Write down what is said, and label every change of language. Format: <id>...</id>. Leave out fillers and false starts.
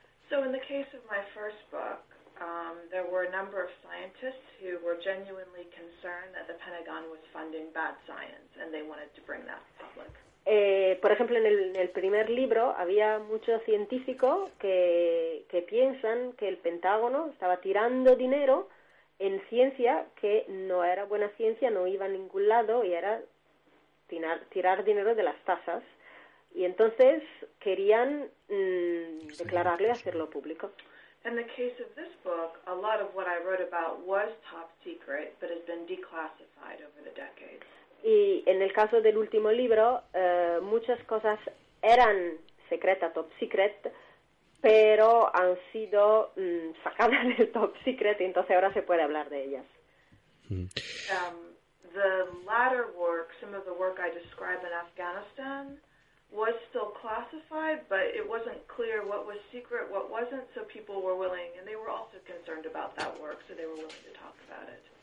<en>So in the case of my first book, there were a number of scientists who were genuinely concerned that the Pentagon was funding bad science and they wanted to bring that to the public.</en> <es>Por ejemplo, en el primer libro había muchos científicos que piensan que el Pentágono estaba tirando dinero en ciencia que no era buena ciencia, no iba a ningún lado y era tirar dinero de las tasas. Y entonces querían declararlo y hacerlo público.</es> <en>In the case of this book, a lot of what I wrote about was top secret, but has been declassified over the decades.</en> <es>Y en el caso del último libro, muchas cosas eran secretas, top secret, pero han sido sacadas del top secret y entonces ahora se puede hablar de ellas.</es> <en>The latter work, some of the work I describe in Afghanistan, was still classified. classified, but it wasn't clear what was secret, what wasn't, so people were willing, and they were also concerned about that work, so they were willing to talk about it.</en>